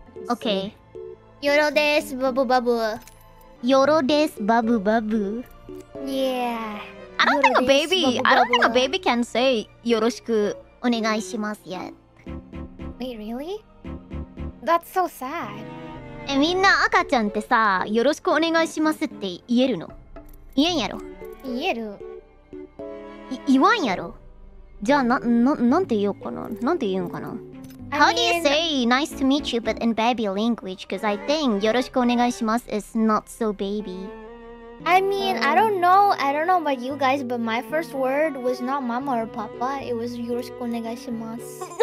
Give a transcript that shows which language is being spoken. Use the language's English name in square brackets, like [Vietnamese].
[English] Okay. [Japanese] Yoro desu, babu babu. Yoro desu, babu babu. [English] Yeah. I don't think a baby. I don't think a baby can say [Japanese] yoroshiku onegaishimasu [English] yet. Wait, really? That's so sad. [Japanese] え、 みんな 赤ちゃん って さ よろしく お願いしますって って 言える の? 言えん やろ? 言える? 言わん やろ? じゃあ なんて 言おう かな? なんて 言うん かな? [English] How do you say nice to meet you but in baby language? Cause I think [Japanese] よろしく お願いします [English] is not so baby. I mean, I don't know about you guys, but my first word was not mama or papa. It was [Japanese] よろしく お願いします.